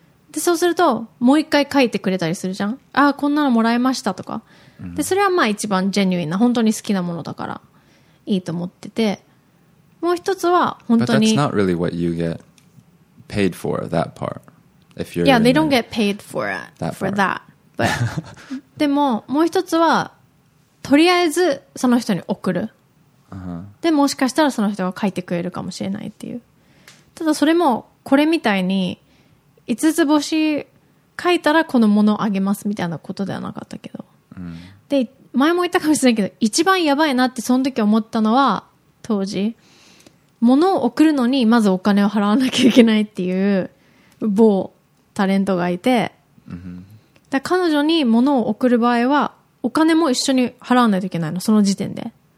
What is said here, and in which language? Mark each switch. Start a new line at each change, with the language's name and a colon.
Japanese: で、そうすると、もう一回書いてくれたりするじゃん。ああ、こんなのもらいましたとか。で、それはまあ一番ジェニュインな、本当に好きなものだから、いいと思ってて。もう一つは、本当に。
English: But that's not really what you get paid for, that part. If you're yeah, they don't get paid for that. For that. But,
Japanese: でも、もう一つは、とりあえずその人に送る。でもしかしたらその人が書いてくれるかもしれないっていう。ただそれもこれみたいに5つ星書いたらこのものをあげますみたいなことではなかったけど、で前も言ったかもしれないけど一番やばいなってその時思ったのは当時物を送るのにまずお金を払わなきゃいけないっていう某タレントがいて、だから彼女に物を送る場合はお金も一緒に払わないといけないのその時点で。